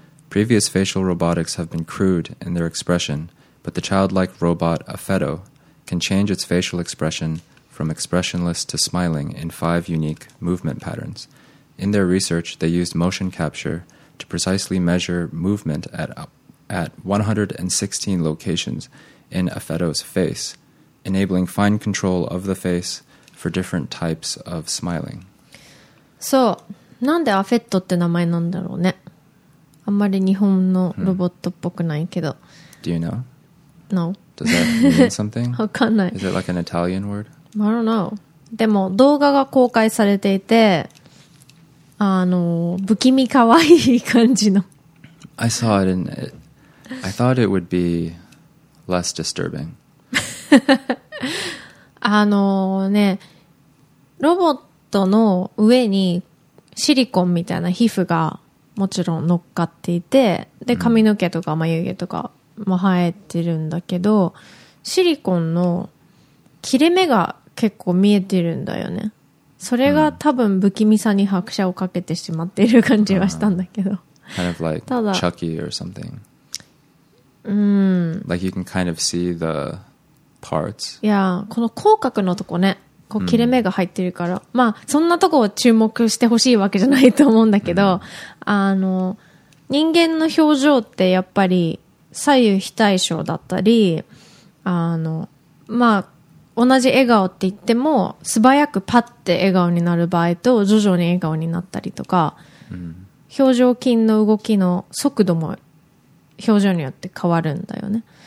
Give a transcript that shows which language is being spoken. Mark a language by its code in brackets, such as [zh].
[en] Previous facial robotics have been crude in their expression, but the childlike robot Affetto can change its facial expression from expressionless to smiling in 5 unique movement patterns. In their research, they used motion capture to precisely measure movement at 116 locations in Affetto's face, enabling fine control of the face for different types of smiling. [ja] そう、なんでアフェットって名前なんだろうね。あんまり日本のロボットっぽくないけど。 [en] Do you know? No. Does that mean something? [ja] わかんない。 [en] Is it like an Italian word? I don't know. [ja] でも動画が公開されていて、あの不気味可愛い感じの。 [en] I saw it in it. I thought it would be less disturbing. [ja] あのね、ロボットの上にシリコンみたいな皮膚がもちろん乗っかっていて、で髪の毛とか眉毛とかも生えてるんだけど、シリコンの切れ目が結構見えてるんだよね。それが多分不気味さに拍車をかけてしまっている感じはしたんだけど。 [en] Kind of like Chucky or something. Like you can kind of see the parts. [ja] Yeah, この口角のとこね、こう切れ目が入ってるから、まあそんなとこを注目してほしいわけじゃないと思うんだけど、あの人間の表情ってやっぱり左右非対称だったり、あのまあ同じ笑顔って言っても素早くパッて笑顔になる場合と徐々に笑顔になったりとか、表情筋の動きの速度も表情によって変わるんだよね。